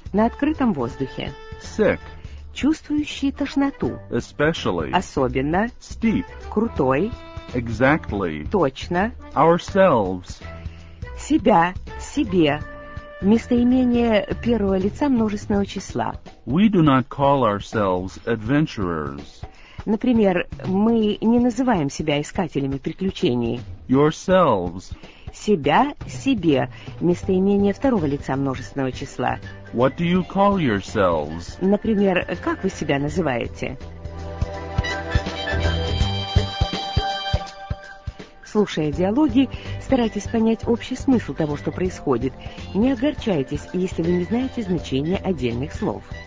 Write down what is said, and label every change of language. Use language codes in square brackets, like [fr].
[ru] На открытом воздухе. [en] Sick. [ru] Чувствующий тошноту. [en] Especially. [ru] Особенно. [en] Steep. [ru] Крутой. [en] Exactly. [ru] Точно. [en] Ourselves. [ru] Себя, себе. Местоимение первого лица множественного числа. [en] We do not call ourselves adventurers. [ru] Например, мы не называем себя искателями приключений. [en] Yourselves. [ru] Себя, себе. Местоимение второго лица множественного числа. [en] What do you call yourselves? [ru] Например, как вы себя называете? Слушая диалоги, старайтесь понять общий смысл того, что происходит. Не огорчайтесь, если вы не знаете значения отдельных слов.